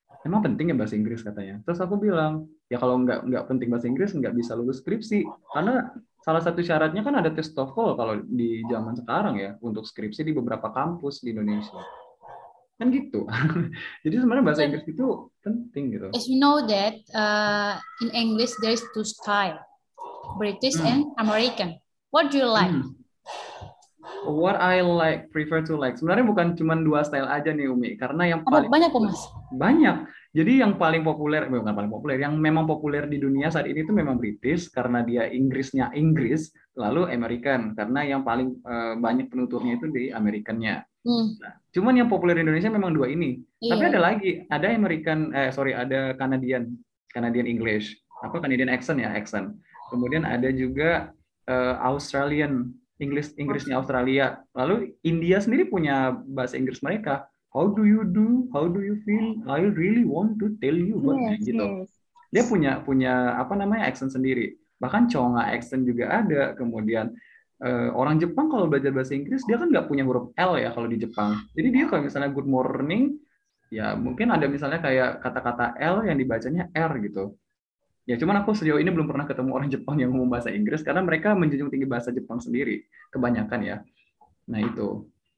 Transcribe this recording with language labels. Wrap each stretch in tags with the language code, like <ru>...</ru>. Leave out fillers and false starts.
<id>Emang penting ya bahasa Inggris katanya. Terus aku bilang, ya kalau nggak penting bahasa Inggris, nggak bisa lulus skripsi. Karena salah satu syaratnya kan ada tes TOEFL kalau di zaman sekarang ya, untuk skripsi di beberapa kampus di Indonesia. Kan gitu. Jadi sebenarnya bahasa Inggris itu penting gitu.</id> <en>As you know that, in English there is two style. British and American. What do you like? What I like, prefer to like.</en> <id>Sebenarnya bukan cuma dua style aja nih Umi, karena yang paling banyak kok Mas. Banyak. Jadi yang paling populer, bukan paling populer, yang memang populer di dunia saat ini itu memang British karena dia Inggrisnya Inggris, lalu American karena yang paling banyak penuturnya itu di Americannya. Nah, cuman yang populer di Indonesia memang dua ini. Tapi ada lagi, ada American, ada Canadian, Canadian English. Apa Canadian accent ya, accent. Kemudian ada juga Australian English, Inggrisnya Australia. Lalu India sendiri punya bahasa Inggris mereka.</id> <en>How do you do? How do you feel? I really want to tell you what gitu.</en> <id>Dia punya punya apa namanya accent sendiri. Bahkan Conga accent juga ada. Kemudian orang Jepang kalau belajar bahasa Inggris dia kan nggak punya huruf L ya kalau di Jepang. Jadi dia kalau misalnya good morning, ya mungkin ada misalnya kayak kata-kata L yang dibacanya R gitu. Ya cuman aku sejauh ini belum pernah ketemu orang Jepang yang ngomong bahasa Inggris karena mereka menjunjung tinggi bahasa Jepang sendiri kebanyakan ya. Nah itu.</id>